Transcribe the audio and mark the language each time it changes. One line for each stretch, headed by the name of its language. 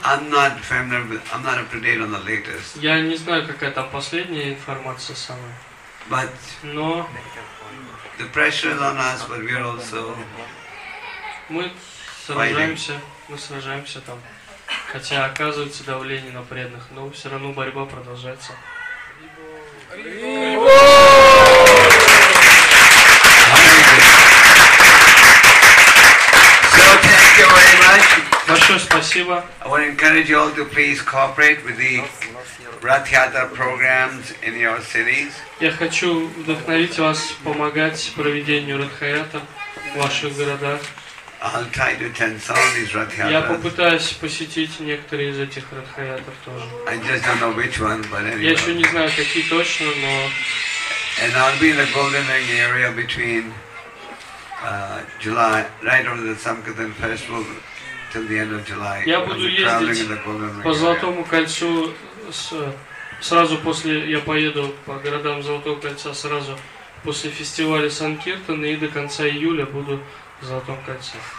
English: I'm not up to date on the latest.
Russian: Я не знаю, какая там последняя информация самая.
English: But.
Russian: Но.
English: The pressure is on us, but we're also.
Russian: Мы сражаемся там. Хотя оказывается давление на преданных, но все равно борьба продолжается.
English: So thank you very much.
Russian: Большое спасибо.
English: I want to encourage you all to please cooperate with the Rath Yatra programs in your cities.
Russian: Я хочу вдохновить вас помогать проведению Rath Yatra в ваших городах.
English: I'll try to attend some of these Rath Yatras.
Russian: Я попытаюсь посетить некоторые из этих Rath Yatra тоже.
English: I just don't know which one, but anyway.
Russian: Я еще не знаю, какие точно, но...
English: And I'll be in the Golden Ring area between July, right over the Samkirtan festival till the end of July.
Russian: Я буду ездить по Золотому кольцу сразу после. Я поеду по городам Золотого кольца сразу после фестиваля Санкиртана и до конца июля буду в Золотом кольце.